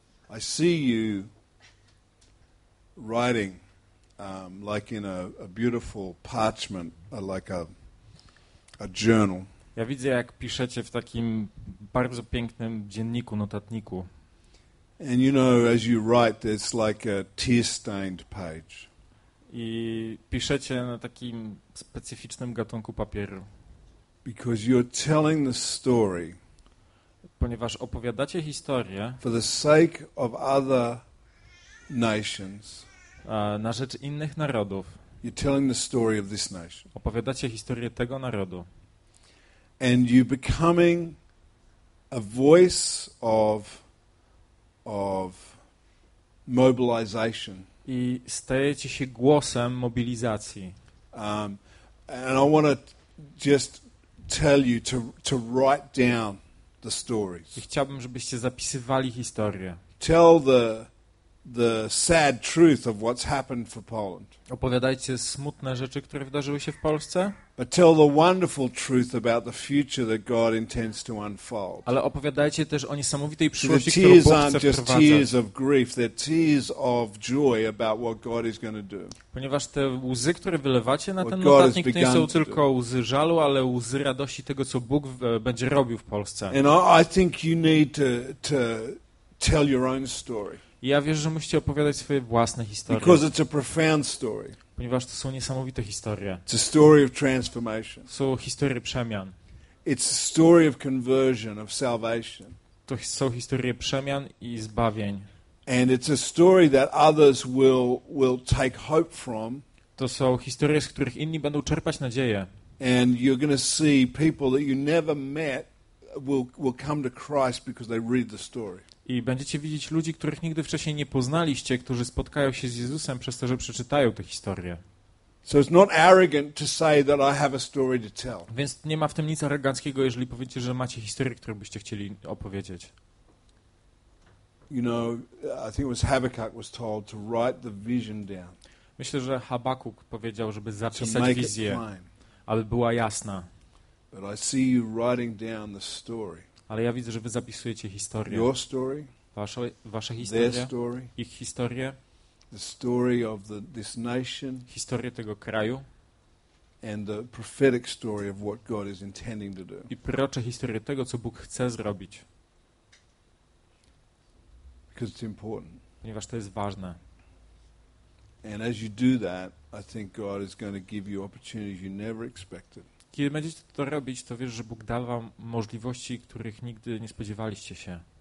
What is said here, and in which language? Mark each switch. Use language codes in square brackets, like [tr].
[en] I see you writing like in a beautiful parchment, like a journal. [pl] Ja widzę, jak piszecie w takim bardzo pięknym dzienniku, notatniku. [en] And you know, as you write, it's like a tear-stained page. [pl] I piszecie na takim specyficznym gatunku papieru. [en] Because you're telling the story. [pl] Ponieważ opowiadacie historię [en] for the sake of other nations, [pl] na rzecz innych narodów. [en] You're telling the story of this nation. [pl] Opowiadacie historię tego narodu. [en] And you're becoming a voice of mobilization. [pl] I stajecie się głosem mobilizacji. [en] And I want to just tell you to write down the stories. [pl] I chciałbym, żebyście zapisywali historię. [en] Tell the sad truth of what's happened for Poland. [pl] Opowiadajcie smutne rzeczy, które wydarzyły się w Polsce. [en] But tell the wonderful truth about the future that God intends to unfold. [pl] Ale opowiadajcie też o niesamowitej przyszłości, którą Bóg chce wprowadzać. [en] Tears aren't just tears of grief, they're tears of joy about what God is going to do. [pl] Ponieważ te łzy, które wylewacie na ten notatnik, to nie są tylko łzy żalu, ale łzy radości tego, co Bóg będzie robił w Polsce. [en] And I think you need to tell your own story. [pl] Ja wierzę, że musicie opowiadać swoje własne historie. [en] Because it's a profound story. [pl] Ponieważ to są niesamowite historie. [en] It's a story of transformation. [pl] Są historie przemian. [en] It's a story of conversion, of salvation. [pl] To są historie przemian i zbawień. [en] And it's a story that others will take hope from. [pl] To są historie, z których inni będą czerpać nadzieję. [en] And you're going to see people that you never met will come to Christ because they read the story. [pl] I będziecie widzieć ludzi, których nigdy wcześniej nie poznaliście, którzy spotkają się z Jezusem przez to, że przeczytają tę historię. [en] So it's not arrogant to say that I have a story to tell. [pl] Więc nie ma w tym nic aroganckiego, jeżeli powiecie, że macie historię, którą byście chcieli opowiedzieć. [en] You know, I think it was Habakkuk was told to write the vision down. [pl] Myślę, że Habakkuk powiedział, żeby zapisać wizję, aby była jasna. [en] But I see you writing down the story. [pl] Ale ja widzę, że wy zapisujecie historię. [en] Your story, [pl] wasze historie, [en] story, [pl] ich historię, [en] the story of this nation, [pl] historię tego kraju [en] and the prophetic story of what God is intending to do. [pl] I prorocze historię tego, co Bóg chce zrobić. [en] Because it's important. [pl] Ponieważ to jest ważne. [en] And as you do that, I think God is going to give you opportunities you never expected. [pl] Kiedy będziecie to robić, to wiesz, że Bóg da wam możliwości, których nigdy nie spodziewaliście się.